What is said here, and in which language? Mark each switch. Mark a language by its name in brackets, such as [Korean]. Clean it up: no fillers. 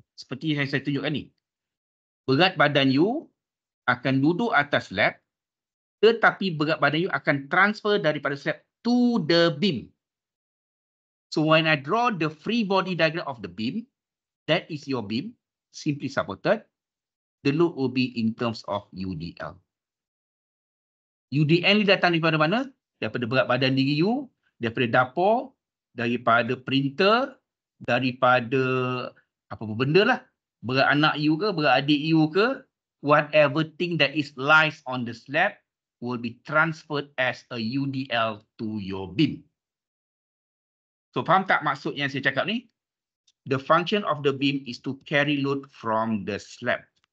[Malay] Seperti yang saya tunjukkan ni. Berat badan you akan duduk atas slab, tetapi berat badan you akan transfer daripada slab [English] to the beam. So when I draw the free body diagram of the beam, that is your beam, simply supported, the load will be in terms of UDL. [Malay] UDL ni datang daripada mana? Daripada berat badan diri you, daripada dapur, daripada printer, daripada apa-apa benda lah. Berat anak you ke, [English] berat adik you ke, whatever thing that is lies on the slab will be transferred as a UDL to your beam. So [Malay] faham tak maksud yang saya cakap ni? [English] The function of the beam is to carry load from the slab.